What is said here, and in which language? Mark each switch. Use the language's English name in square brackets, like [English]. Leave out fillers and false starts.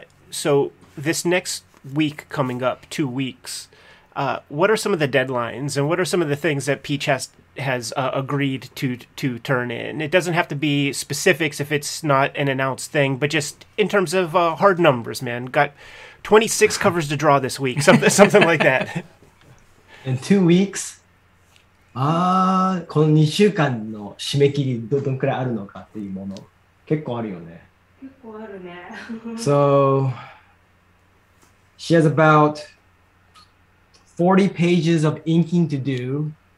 [English] So this next week coming up, 2 weeks, what are some of the deadlines and what are some of the things that Peach has agreed to turn in? It doesn't have to be specifics if it's not an announced thing, but just in terms of hard numbers, man. Got 26 covers to draw this week, something like that. In 2 weeks? [Japanese] この 2週間 の 締め切り どんくらい あるのか っていうもの 結構あるよね。 [English] So, she has about 40 pages of inking to do.